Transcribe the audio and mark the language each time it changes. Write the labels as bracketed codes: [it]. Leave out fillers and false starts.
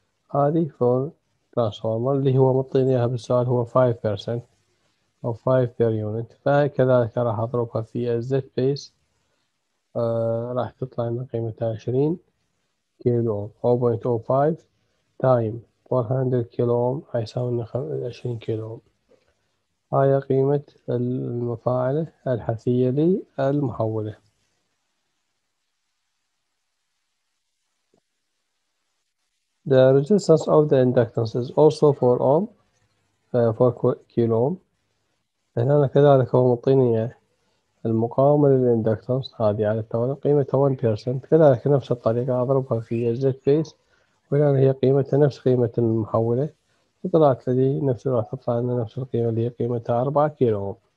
[ar] هذه فور ترانسفورمر اللي هو مطيني إياها بالسؤال هو 5% أو 5 بير يونت، فكذلك راح أضربها في الزيت بيس راح تطلع لنا قيمتها 20 كيلو أوم، 0.05 تايم 400 كيلو أوم هيساوي لنا 20 كيلو أوم. هاي قيمة المفاعلة الحثية للمحولة. [en] The resistance of the inductance is also 4 ohm, 4 kilo ohm. [ar] هنا كذلك هو مطيني المقاومة للإندكتنس هذه على التوالي قيمتها 1%، كذلك نفس الطريقة أضربها في الزد فيس وهنا هي قيمتها نفس قيمة المحولة، وطلعت لدي نفس راح تطلع لنا نفس القيمة اللي هي قيمتها 4 كيلو أوم.